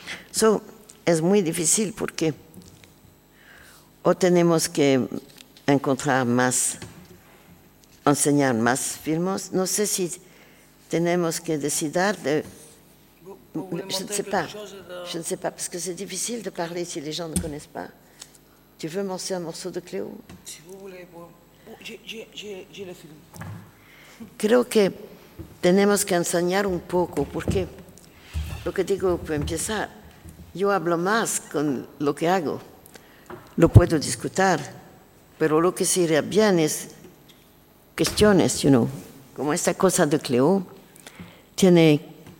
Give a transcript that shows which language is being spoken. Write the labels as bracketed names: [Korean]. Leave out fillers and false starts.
[Spanish] So, es muy difícil porque o tenemos que encontrar más, enseñar más filmes, no sé si tenemos que decidir de... [French] Je ne sais pas. De... Je ne sais pas parce que c'est difficile de parler si les gens ne connaissent pas. Tu veux manger un morceau de Cléo? Si vous voulez, j'ai le film. [Spanish] Creo que tenemos que enseñar un poco porque lo que digo para empezar, yo hablo más con lo que hago. Lo puedo discutir, pero lo que sería bien es cuestiones, you know, como esta cosa de Cléo tiene.